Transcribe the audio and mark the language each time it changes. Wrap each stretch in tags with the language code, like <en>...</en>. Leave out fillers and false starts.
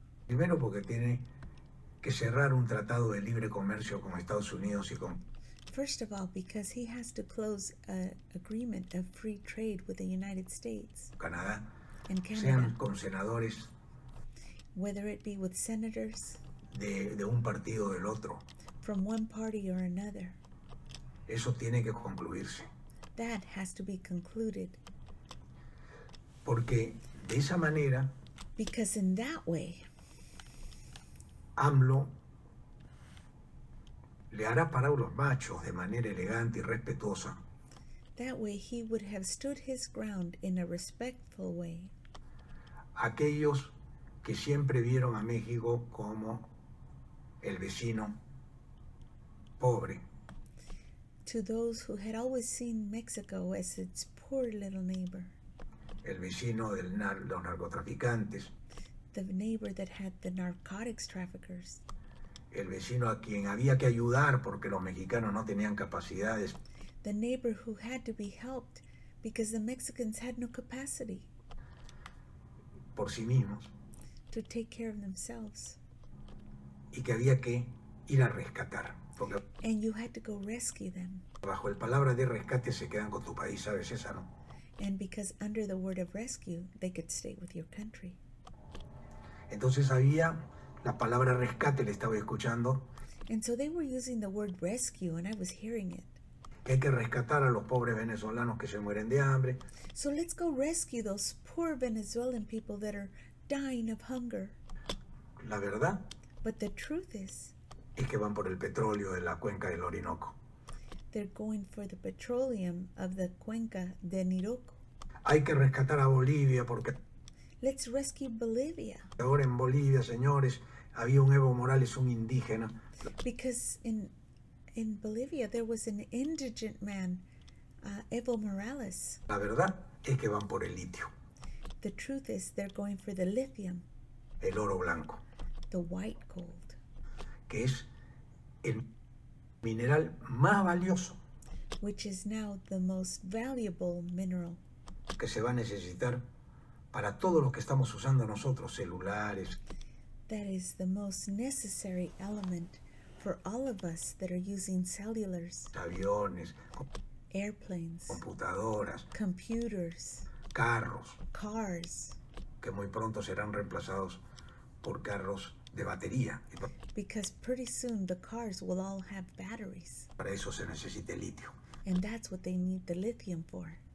<es>Primero porque tiene que cerrar un tratado de libre comercio con Estados Unidos y con,</es> <en>first of all because he has to close an agreement of free trade with the United States,</en> <es>Canadá,</es> <en>and Canada,</en> <es>sean con senadores,</es> <en>whether it be with senators,</en> <es>De un partido o del otro.</es> <en>From one party or another.</en> <es>Eso tiene que concluirse.</es> <en>That has to be concluded.</en> <es>Porque de esa manera.</es> <en>Because in that way.</en> <es>AMLO. Le hará parar los machos de manera elegante y respetuosa.</es> <en>That way he would have stood his ground in a respectful way.</en> <es>Aquellos que siempre vieron a México como el vecino pobre.</es> <en>To those who had always seen Mexico as its poor little neighbor.</en> <es>El vecino de los narcotraficantes.</es> <en>The neighbor that had the narcotics traffickers.</en> <es>El vecino a quien había que ayudar porque los mexicanos no tenían capacidades.</es> <en>The neighbor who had to be helped because the Mexicans had no capacity.</en> <es>Por sí mismos.</es> <en>To take care of themselves.</en> <es>Y que había que ir a rescatar. Porque</es> <en>and you had to go rescue them.</en> <es>Bajo el palabra de rescate se quedan con tu país, ¿sabes esa, no?</es> <en>And because under the word of rescue, they could stay with your country.</en> <es>Entonces había la palabra rescate, le estaba escuchando.</es> <en>And so they were using the word rescue and I was hearing it.</en> <es>Que hay que rescatar a los pobres venezolanos que se mueren de hambre.</es> <en>So let's go rescue those poor Venezuelan people that are dying of hunger.</en> <es>La verdad.</es> <en>But the truth is,</en> <es>es que van por el petróleo de la cuenca del Orinoco.</es> <en>They're going for the petroleum of the cuenca de Niroco.</en> <es>Hay que rescatar a Bolivia porque,</es> <en>let's rescue Bolivia.</en> <es>Ahora en Bolivia, señores, había un Evo Morales, un indígena.</es> <en>Because in Bolivia there was an indigent man, Evo Morales.</en> <es>La verdad es que van por el litio.</es> <en>The truth is they're going for the lithium.</en> <es>El oro blanco.</es> <en>The white gold,</en> <es>que es el mineral más valioso,</es> <en>which is now the most valuable mineral,</en> <es>que se va a necesitar para todo lo que estamos usando nosotros, celulares,</es> <en>that is the most necessary element for all of us that are using cellulars,</en> <es>aviones,</es> <en>airplanes,</en> <es>computadoras,</es> <en>computers,</en> <es>carros,</es> <en>cars,</en> <es>que muy pronto serán reemplazados por carros de batería.</es> <en>Because pretty soon the cars will all have batteries.</en> <es>Para eso se necesita el litio.</es> <en>And that's what they need the lithium for.</en>